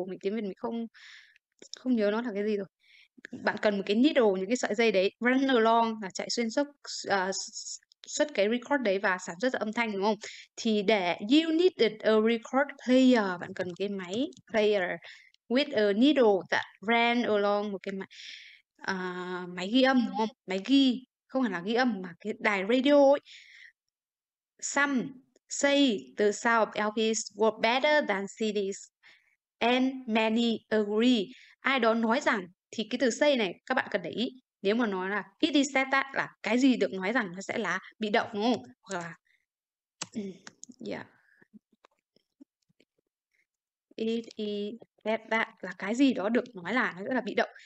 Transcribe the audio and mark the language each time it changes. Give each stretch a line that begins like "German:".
Vietnamese: Mình tiếng Việt mình không không nhớ nó là cái gì rồi. Bạn cần một cái needle, những cái sợi dây đấy,
English: run along
Vietnamese: là chạy xuyên suốt suốt cái record đấy và sản xuất ra âm thanh, đúng không? Thì để
English: you needed a record player,
Vietnamese: bạn cần một cái máy player
English: with a needle that ran along,
Vietnamese: một cái máy ghi âm, đúng không? Máy ghi, không hẳn là ghi âm mà cái đài radio ấy.
English: Some say the sound of LPs were better than CDs. And many agree.
Vietnamese: Ai đó nói rằng, thì cái từ say này các bạn cần để ý. Nếu mà nói là
English: it is said that,
Vietnamese: là cái gì được nói rằng, nó sẽ là bị động, đúng không? Hoặc là
English: it is said that,
Vietnamese: là cái gì đó được nói là nó sẽ là bị động.